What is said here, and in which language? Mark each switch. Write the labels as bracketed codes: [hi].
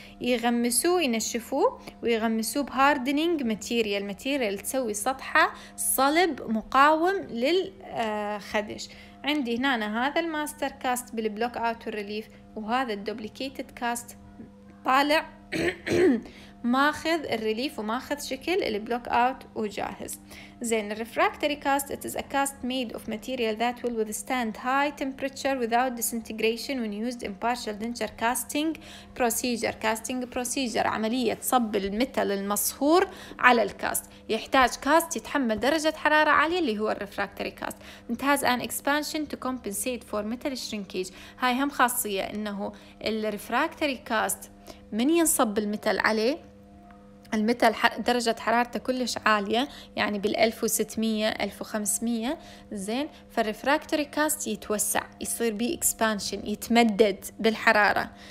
[ar] يغمسوه ينشفوه ويغمسوه بهاردنينج ماتيريال، ماتيريال تسوي سطحه صلب مقاوم للخدش. عندي هنا أنا هذا الماستر كاست بالبلوك اوت والريليف، وهذا الدوبليكيتد كاست طالع ماخذ الريليف وماخذ شكل البلوك اوت وجاهز. زين، الريفراكتوري كاست [en] it is a cast made of material that will withstand high temperature without disintegration when used in partial denture casting procedure. [ar] casting procedure عملية صب المثل المصهور على الكاست، يحتاج كاست يتحمل درجة حرارة عالية اللي هو الريفراكتوري كاست. [en] it has an expansion to compensate for metal shrinkage. [ar] هاي هم خاصية انه الريفراكتوري كاست من ينصب المثل عليه المثل درجة حرارته كلش عالية، يعني بال 1600-1500. زين، فالرفراكتوري كاست يتوسع يصير بيه expansion، يتمدد بالحرارة.